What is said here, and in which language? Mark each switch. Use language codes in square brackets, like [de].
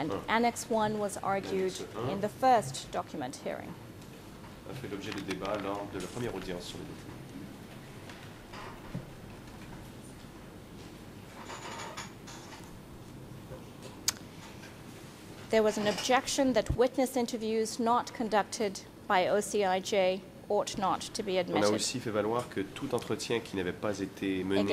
[en] And Annex 1 was argued in the first document hearing. [fr] A fait l'objet de débat lors de la première audience sur les documents. [en] There was an objection that witness interviews not conducted by OCIJ ought not to be admitted. [fr] On a aussi fait valoir que tout entretien qui n'avait pas été mené